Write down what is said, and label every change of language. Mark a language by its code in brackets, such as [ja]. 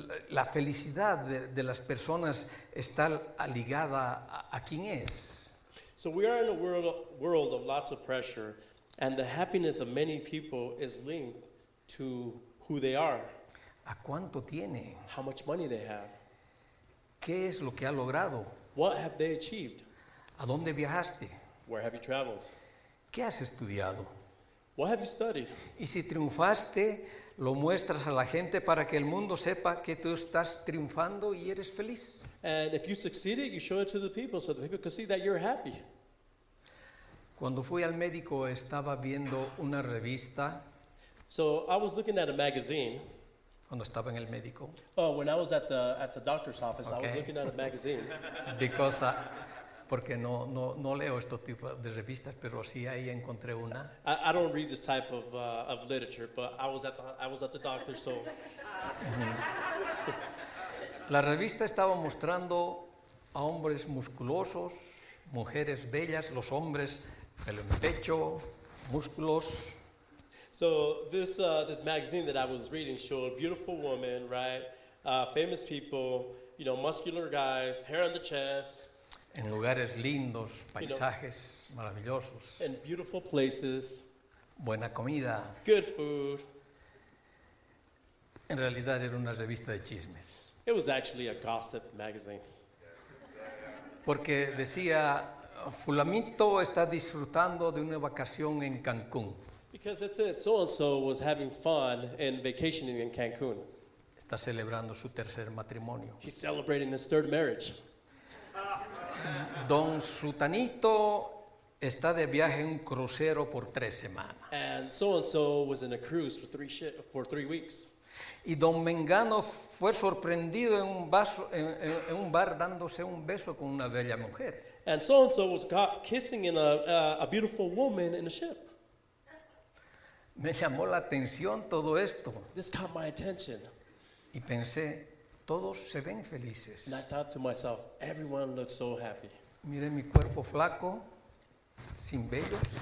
[es] la felicidad de las personas está ligada a quién es. [en] So we are in a world of lots of pressure, and the happiness of many people is linked to who they are. [es] ¿A cuánto tiene? [en] How much money they have. [es] ¿Qué es lo que ha logrado? [en] What have they achieved? [es] ¿A dónde viajaste? [en] Where have you traveled? [es] ¿Qué has estudiado? [en] What have you studied? [es] ¿Y si triunfaste, lo muestras a la gente para que el mundo sepa que tú estás triunfando y eres feliz? [en] And if you succeeded, you show it to the people so the people can see that you're happy. [es] Cuando fui al médico, estaba viendo una revista. [en] So I was looking at a magazine. [es] Cuando estaba en el médico. [en] Oh, when I was at the doctor's office, okay. I was looking at a magazine. [es] Because porque no leo este tipo de revistas, pero sí ahí encontré una. [en] I don't read this type of literature, but I was at the doctor, so. [es] La revista estaba mostrando a hombres musculosos, mujeres bellas, los hombres pelo en pecho, músculos. [en] So this magazine that I was reading showed beautiful women, right? Famous people, you know, muscular guys, hair on the chest. [es] En lugares lindos, paisajes, [en] you know, [es] maravillosos. [en] In beautiful places. [es] Buena comida. [en] Good food. [es] En realidad era una revista de chismes. [en] It was actually a gossip magazine. [es] Porque decía, Fulamito está disfrutando de una vacación en Cancún. [en] Because it said so-and-so was having fun and vacationing in Cancun. [es] Está celebrando su tercer matrimonio. [en] He's celebrating his third marriage. [es] Don Sutanito está de viaje en un crucero por 3 semanas. [en] And so-and-so was in a cruise for three weeks. [es] Y Don Mengano fue sorprendido en un bar dándose un beso con una bella mujer. [en] And so-and-so was caught kissing in a beautiful woman in a ship. [es] Me llamó la atención todo esto. [en] This caught my attention. [es] Y pensé, todos se ven felices. [en] And I thought to myself, everyone looks so happy. [es] Miré mi cuerpo flaco, sin vellos.